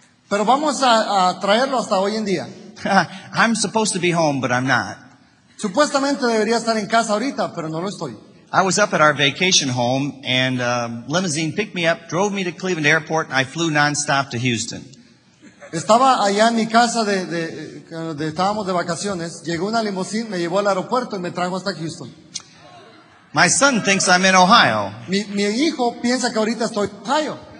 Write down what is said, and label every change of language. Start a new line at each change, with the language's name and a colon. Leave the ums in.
English: i I'm supposed to be home, but I'm not.
Spanish: Supuestamente debería estar en casa ahorita, pero no lo estoy.
English: I was up at our vacation home, and a uh, limousine picked me up, drove me to Cleveland Airport, and I flew nonstop to Houston.
Spanish: Estaba allá en mi casa de, de, de, de estábamos de vacaciones. Llegó una limusina, me llevó al aeropuerto y me trajo hasta Houston.
English: My son thinks I'm in Ohio.
Spanish: Mi, mi hijo piensa que ahorita estoy en Ohio.